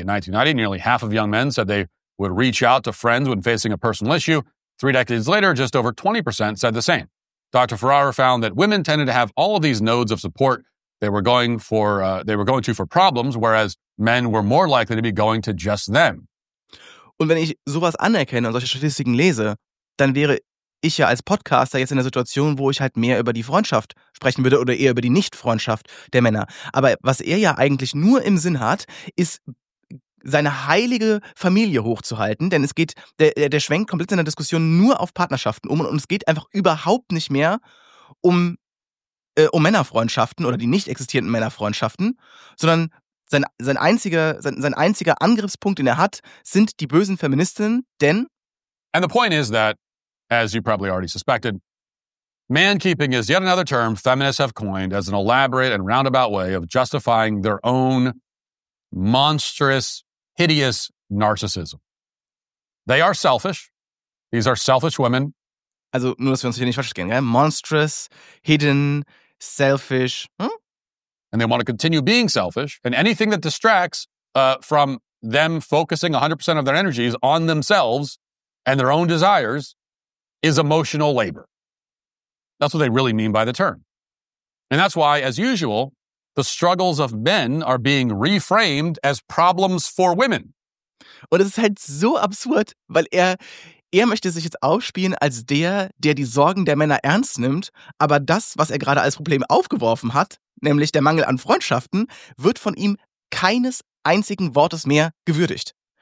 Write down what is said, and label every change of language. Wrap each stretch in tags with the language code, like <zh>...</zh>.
<en>In 1990, nearly half of young men said they would reach out to friends when facing a personal issue. Three decades later, just over 20% said the same. Dr. Ferrara found that women tended to have all of these nodes of support they were going to for problems, whereas men were more likely to be going to just them.</en> <de>Und wenn ich sowas anerkenne und solche Statistiken lese, dann wäre ich ja als Podcaster jetzt in der Situation, wo ich halt mehr über die Freundschaft sprechen würde oder eher über die Nicht-Freundschaft der Männer. Aber was er ja eigentlich nur im Sinn hat, ist, seine heilige Familie hochzuhalten. Denn es geht, der schwenkt komplett in der Diskussion nur auf Partnerschaften um und es geht einfach überhaupt nicht mehr um Männerfreundschaften oder die nicht existierenden Männerfreundschaften, sondern sein einziger Angriffspunkt, den er hat, sind die bösen Feministinnen, denn...</de> <en>And the point is that, as you probably already suspected, man-keeping is yet another term feminists have coined as an elaborate and roundabout way of justifying their own monstrous, hideous narcissism. They are selfish. These are selfish women.</en> <de>Also, nur, dass wir uns hier nicht falsch gehen, gell?</de> <en>Monstrous, hidden, selfish. And they want to continue being selfish. And anything that distracts from them focusing 100% of their energies on themselves and their own desires is emotional labor. That's what they really mean by the term. And that's why, as usual, the struggles of men are being reframed as problems for women.</en> <de>Und es ist halt so absurd, weil er möchte sich jetzt aufspielen als der die Sorgen der Männer ernst nimmt, aber das, was er gerade als Problem aufgeworfen hat, nämlich der Mangel an Freundschaften, wird von ihm keines einzigen Wortes mehr gewürdigt.</de>